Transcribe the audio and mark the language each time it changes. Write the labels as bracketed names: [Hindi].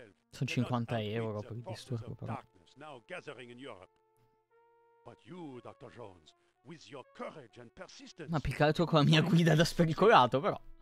[Italian] Sono 50 euro per il disturbo, però. [English] Now gathering in Europe. But you, Dr. Jones, with your courage and persistence. [Italian] Ma più che altro con la mia guida da spericolato, però.